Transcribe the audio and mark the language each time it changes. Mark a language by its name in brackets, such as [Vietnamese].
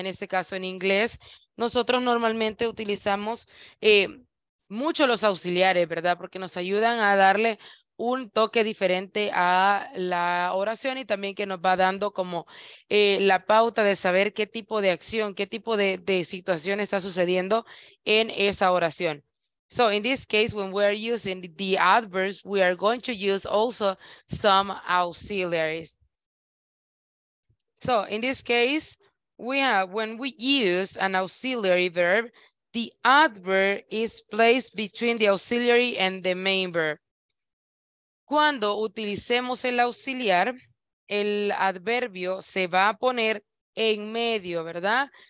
[Spanish] En este caso, en inglés, nosotros normalmente utilizamos mucho los auxiliares, ¿verdad? Porque nos ayudan a darle un toque diferente a la oración y también que nos va dando como la pauta de saber qué tipo de acción, qué tipo de situación está sucediendo en esa oración. [English] So in this case, when we are using the adverbs, we are going to use also some auxiliaries. So in this case, we have, when we use an auxiliary verb, the adverb is placed between the auxiliary and the main verb. [Spanish] Cuando utilicemos el auxiliar, el adverbio se va a poner en medio, ¿verdad?